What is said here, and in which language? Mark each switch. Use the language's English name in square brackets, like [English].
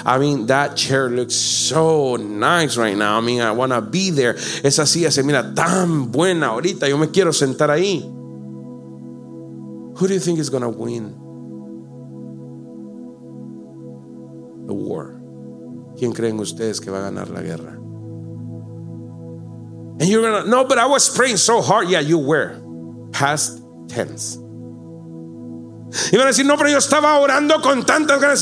[English] I mean, that chair looks so nice right now. I mean, I want to be there. [Spanish] Esa silla se mira tan buena ahorita. Yo me quiero sentar ahí. [English] Who do you think is going to win the war? [Spanish] ¿Quién creen ustedes que va a ganar la guerra? [English] And you're going to, "No, but I was praying so hard." Yeah, you were. Past tense. [Spanish] Y van a decir, "No, pero yo estaba orando con tantas ganas."